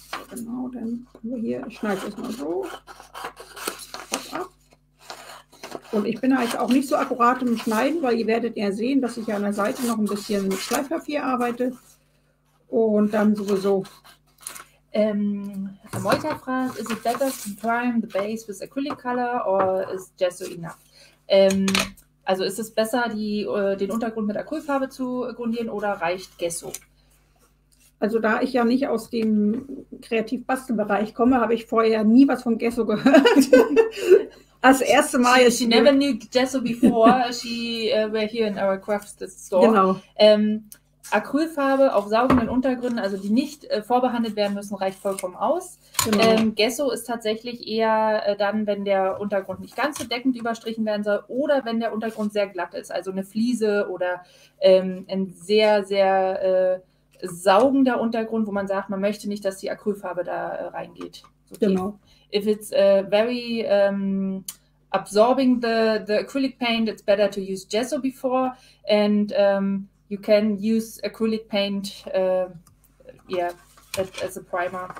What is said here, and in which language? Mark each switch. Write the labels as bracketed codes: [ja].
[de] Genau, dann hier schneide ich es mal so. Und ich bin halt auch nicht so akkurat im Schneiden, weil ihr werdet ja sehen, dass ich an der Seite noch ein bisschen mit Schleifpapier arbeite. Und dann sowieso. [en] Amolta [de] fragt, [en] is it better to prime the base with acrylic color or is gesso enough? [de] Also ist es besser, den Untergrund mit Acrylfarbe zu grundieren oder reicht Gesso? Also da ich ja nicht aus dem Kreativ-Bastel-Bereich komme, habe ich vorher nie was von Gesso gehört. Als erste Mal. [en] She never knew Gesso before. She were here in our craft store. [de] Genau. Acrylfarbe auf saugenden Untergründen, also die nicht vorbehandelt werden müssen, reicht vollkommen aus. Genau. Gesso ist tatsächlich eher dann, wenn der Untergrund nicht ganz so deckend überstrichen werden soll oder wenn der Untergrund sehr glatt ist, also eine Fliese oder ein sehr, sehr saugender Untergrund, wo man sagt, man möchte nicht, dass die Acrylfarbe da reingeht. Okay. Genau. [en] If it's very absorbing the acrylic paint, it's better to use gesso before. And you can use acrylic paint as a primer.